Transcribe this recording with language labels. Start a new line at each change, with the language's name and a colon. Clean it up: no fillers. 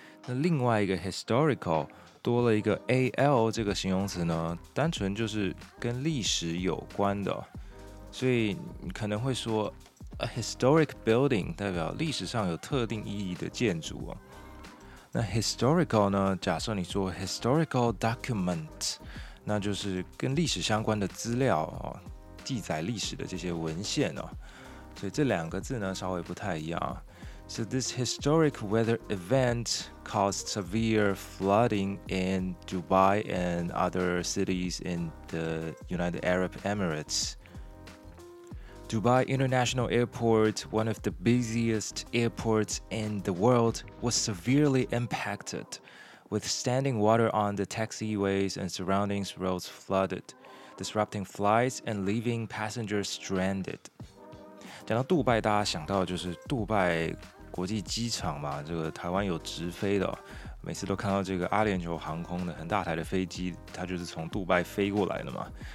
Chinese: 那另外一个 historical。多了一个 al 这个形容词呢，单纯就是跟历史有关的，所以你可能会说
English: a historic building
Chinese: 代表历史上有特定意义的建筑哦。那 historical 呢，假设你说
English: historical document，
Chinese: 那就是跟历史相关的资料哦，记载历史的这些文献哦。所以这两个字呢，稍微不太一样。
English: So this historic weather event caused severe flooding in Dubai and other cities in the United Arab Emirates. Dubai International Airport, one of the busiest airports in the world, was severely impacted, with standing water on the taxiways and surrounding roads flooded, disrupting flights and leaving passengers stranded.
Chinese: 讲到杜拜，大家想到的就是杜拜。国际机场嘛，这个台湾有直飞的，每次都看到这个阿联酋航空的很大台的飞机，它就是从杜拜飞过来的嘛。